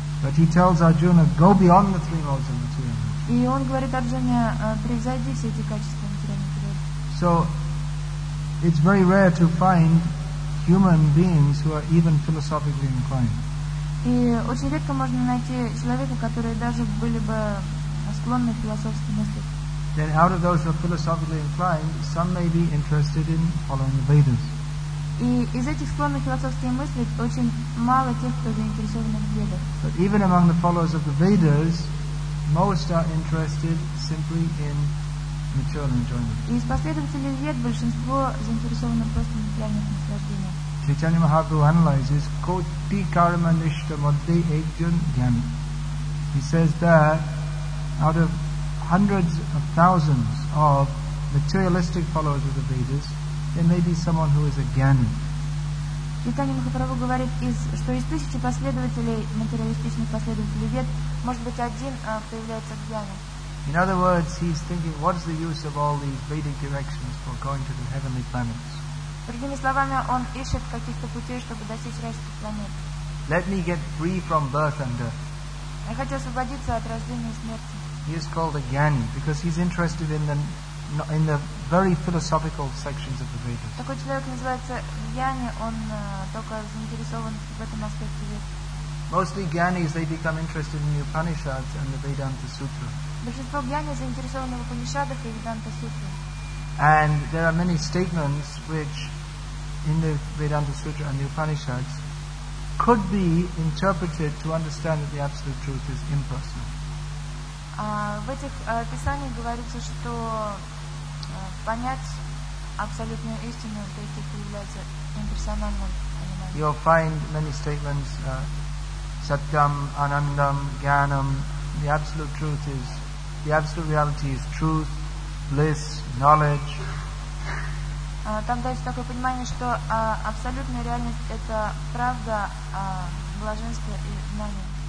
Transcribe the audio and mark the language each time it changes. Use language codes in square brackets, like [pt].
[en] But he tells Arjuna, go beyond the three modes of material. [ru] И он говорит Арджуне, превзойди все эти качества материальной природы. [en] So it's very rare to find human beings who are even philosophically inclined. [ru] И очень редко можно найти человека, который даже были бы склонны к философским мыслям. [en] Then out of those who are philosophically inclined, some may be interested in following the Vedas. [ru] И из этих склонных философские мысли очень мало тех, кто заинтересован в Ведах. [en] But even among the followers of the Vedas, most are interested simply in material enjoyment. [ru] И из последователей Вед большинство заинтересовано просто в материальных наслаждениях. [en] Chaitanya Mahaprabhu analyzes, [bn] koti karma nishta madde ekjan jnani. [en] He says that out of hundreds of thousands of materialistic followers of the Vedas, there may be someone who is a jnani. [ru] Chaitanya Mahaprabhu говорит, что из тысячи последователей, материалистичных последователей Вед, может быть один появляется jnani. [en] In other words, he's thinking, what's the use of all these Vedic directions for going to the heavenly planets? [ru] Другими словами, он ищет каких-то путей, чтобы достичь райских планет. [en] Let me get free from birth and death. [ru] Я хочу освободиться от рождения и смерти. [en] He is called a jnani because he's interested in the very philosophical sections of the Vedas. [ru] Такой человек называется jnani, он только заинтересован в этом аспекте Вед. [en] Mostly jnanis, they become interested in the Upanishads and the Vedanta Sutra. [ru] Большинство jnani заинтересованы в Упанишадах и Веданта Сутра. [en] And there are many statements which, in the Vedanta Sutra and the Upanishads, could be interpreted to understand that the Absolute Truth is impersonal. [ru] В этих писаниях говорится, что понять абсолютную истину, то есть это является имперсональным. [en] You'll find many statements: [sa] Satyam, Anandam, Jnanam. [en] The Absolute Truth is the Absolute Reality is truth. Bliss, knowledge. [ru] Там дается такое понимание, что абсолютная реальность — это правда, блаженство и знание.